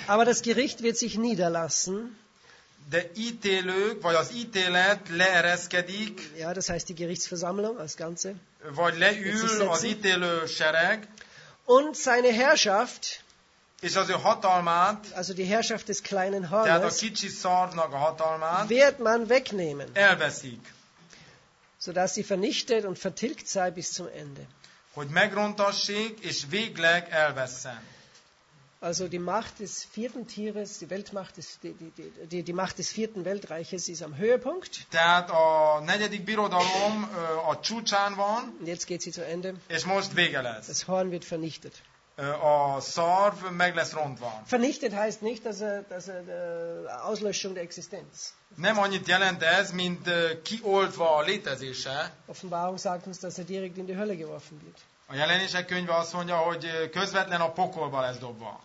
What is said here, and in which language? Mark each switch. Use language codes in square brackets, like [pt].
[de] Aber das Gericht wird sich niederlassen. [hu] de ítélők, vagy az ítélet leereszkedik. [de] Ja, das heißt die Gerichtsversammlung, das Ganze. [hu] Vagy leül az ítélő sereg. [de] Und seine Herrschaft. [hu] És az ő hatalmát, [de] also die Herrschaft des kleinen Hornes, [hu] tehát a kicsi szarvnak a hatalmát, [de] wird man wegnehmen, [hu] elveszik, [de] sodass sie vernichtet und vertilgt sei bis zum Ende. [hu] Hogy megrontassék és végleg elvesszen. [de] Also die Macht des vierten Tieres, die Weltmacht des, die Macht des vierten Weltreiches ist am Höhepunkt. [hu] Tehát a negyedik birodalom a csúcsán van. [de] Und jetzt geht sie zu Ende. [hu] És most vége lesz. [de] Das Horn wird vernichtet. [hu] A szarv meg lesz rontva. [de] Vernichtet heißt nicht, dass Auslöschung der Existenz. [hu] Nem annyit jelent ez, mint kioltva a létezése. [de] Offenbarung sagt uns, dass direkt in die Hölle geworfen wird. [hu] A jelenések könyve azt mondja, hogy közvetlen a pokolba lesz dobva.